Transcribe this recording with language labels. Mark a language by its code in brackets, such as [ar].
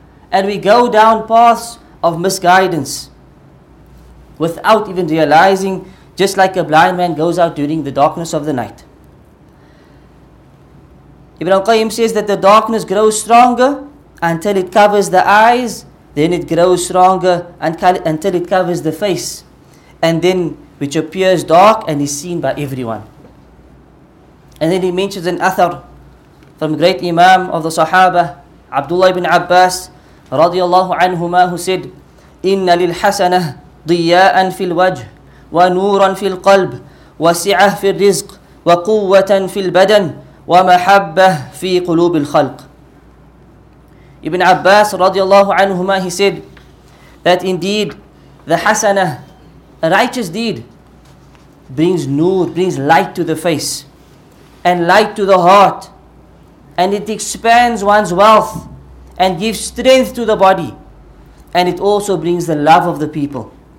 [en] And we go down paths of misguidance without even realizing, just like a blind man goes out during the darkness of the night. Ibn al-Qayyim says that the darkness grows stronger until it covers the eyes, then it grows stronger until it covers the face, and then which appears dark and is seen by everyone. And then he mentions an athar from great Imam of the Sahaba, Abdullah ibn Abbas, رضي الله عنهما who said, [ar] إن للحسنة ضياء في الوجه ونورا في القلب وسعة في الرزق وقوة في البدن ومحبة في قلوب الخلق. [en] Ibn Abbas رضي الله عنهما, he said that indeed the hasana, a righteous deed, brings nur, brings light to the face and light to the heart, and it expands one's wealth and gives strength to the body, and it also brings the love of the people.